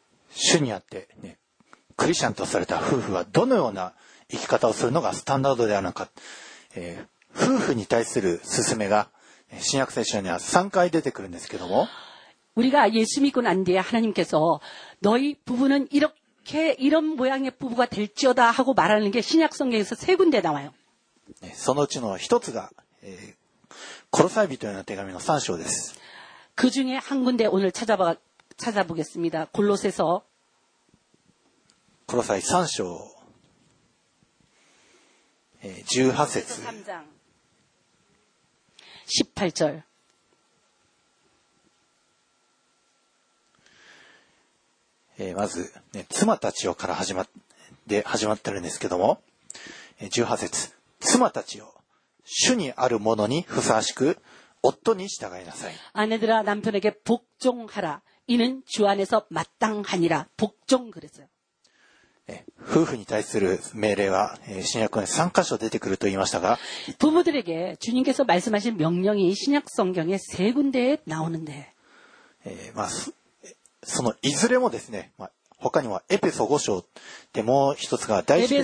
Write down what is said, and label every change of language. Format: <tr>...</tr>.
<ja>主にあって、ね、クリスチャンとされた夫婦はどのような生き方をするのがスタンダードであるのか、夫婦に対する勧めが新約聖書には3回出てくるんですけども、</ja> <ko>우리가예수믿고난뒤에하나님께서너희부부는이렇게이런모양의부부가될지어다하고말하는게신약성경에서세군데나와요、</ko> <ja>네、そのうちの一つが、コロサイ人への手紙の3章です。</ja> <ko>그중에한군데오늘찾아보겠습니다. 골로새서 골로새3장 18절</ko> <ja>まず、ね、妻たちよから始まってるんですけども、18節、妻たちよ、主にあるものにふさわしく夫に従いなさい。</ja> <ko>아내들아남편에게복종하라이는주안에서마땅하니라복종그랬어요、</ko> <ja>네、夫婦に対する命令は</ja> <ko>신약성경에3</ko> <ja>箇所出てくると言いましたが、</ja> <ko>부모들에게주님께서말씀하신명령이신약성경에세군데에나오는데、</ko> <ja>まあ、そのいずれもですね、まあ、他にはエペソ5章でもう一つが第一ペ</ja>